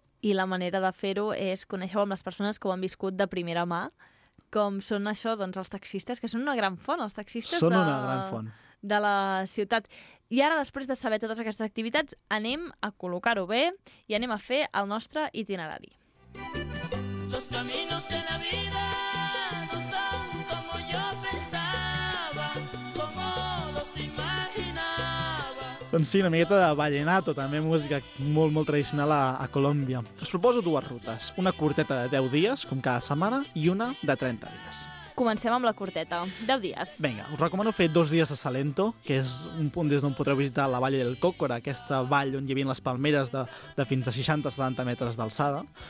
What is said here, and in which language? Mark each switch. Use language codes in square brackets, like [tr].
[ca] I la manera de fer-ho és conèixer-ho amb les persones que ho han viscut de primera mà, com són això, doncs, els taxistes, que són una gran font, els taxistes són una gran font de la ciutat. I ara, després de saber totes aquestes activitats, anem a col·locar-ho bé i anem a fer el nostre itinerari. [es] Los caminos de la vida no son como yo pensaba, como los imaginaba. [ca] Doncs sí, una miqueta de vallenato, també música molt, molt tradicional a Colòmbia. Us proposo dues rutes, una curteta de 10 dies, com cada setmana, i una de 30 dies. Comencem amb la curteta. 10 dies. Vinga, us recomano fer 2 dies a Salento, que és un punt des d'on podreu visitar la Valle del Cocora, aquesta vall on hi havia les palmeres de fins a 60-70 metres d'alçada.